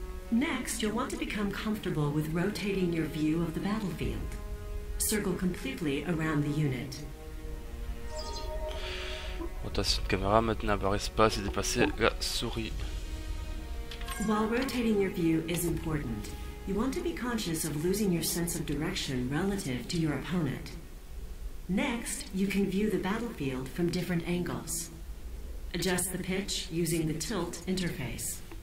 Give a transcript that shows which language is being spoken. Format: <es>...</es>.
<en>Next, you'll want to become comfortable with rotating your view of the battlefield. Circle completely around the unit.</en> <fr>Rotation de caméra maintenant à barre espace et dépasser la souris.</fr> <en>While rotating your view is important, you want to be conscious of losing your sense of direction relative to your opponent. Next, you can view the battlefield from different angles. Adjust the pitch using the tilt interface.</en>